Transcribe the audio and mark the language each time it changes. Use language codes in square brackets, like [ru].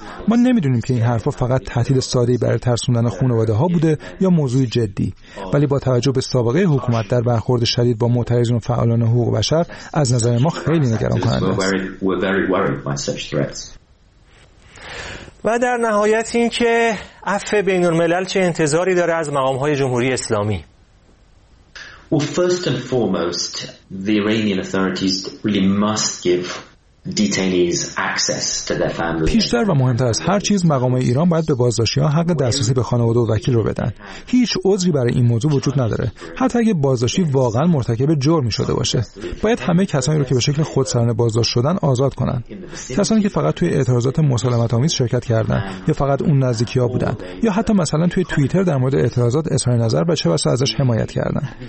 [fa] ما نمیدونیم که این حرفا فقط تهدید ساده‌ای برای ترسوندن خانواده‌ها بوده یا موضوع جدی، ولی با توجه به سابقه حکومت در برخورد شدید با معترضان و فعالان حقوق بشر از نظر ما خیلی نگران کننده است. و در نهایت این که عفو بین الملل چه انتظاری داره از مقام های جمهوری اسلامی؟ [en] Well, first and foremost, the Iranian authorities really must give detainees access to their families. [fa] پیشتر و مهمتر از هر چیز مقام ایران باید به بازداشتیان حق دسترسی به خانواده و وکیل رو بدن. هیچ عذری برای این موضوع وجود نداره. حتی اگه بازداشتی واقعا مرتکب جرمی شده باشه. باید همه کسانی رو که به شکل خودسرانه بازداشت شدن آزاد کنن. کسانی که فقط توی اعتراضات مسالمت‌آمیز شرکت کردن یا فقط اون نزدیکی‌ها بودن یا حتی مثلا توی توییتر در مورد اعتراضات اظهار نظر و چه بسا ازش حمایت کردن.